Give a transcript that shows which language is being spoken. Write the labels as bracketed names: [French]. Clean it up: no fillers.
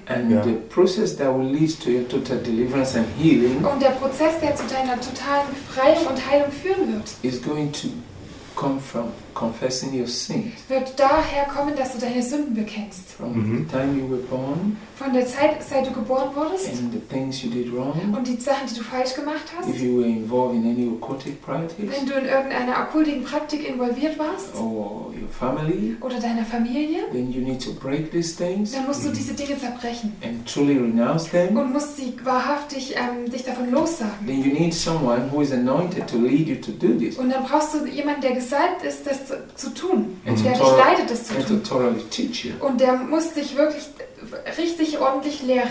[English] And the process that will lead to your total deliverance and healing. [German] Und der Prozess, der zu deiner totalen Befreiung und Heilung führen wird, [English] is going to come from confessing your sins. [German] Wird daher kommen, dass du deine Sünden bekennst. [English] From the time you were born, [German] von der Zeit, seit du geboren wurdest, [English] and the things you did wrong, [German] und die Sachen, die du falsch gemacht hast, [English] if you were involved in any occultic practice, [German] wenn du in irgendeiner okkulten Praktik involviert warst, [English] or your family, [German] oder deiner Familie, [English] then you need to break these things, [German] dann musst du diese Dinge zerbrechen [English] and truly renounce them, [German] und musst sie wahrhaftig dich davon lossagen. [English] Then you need someone who is anointed to lead you to do this. [German] Und dann brauchst du jemanden, der gesalbt ist, das zu tun, der dich leitet, das zu tun. [English] Totally teach you. [German] Und der muss dich wirklich richtig ordentlich lehren.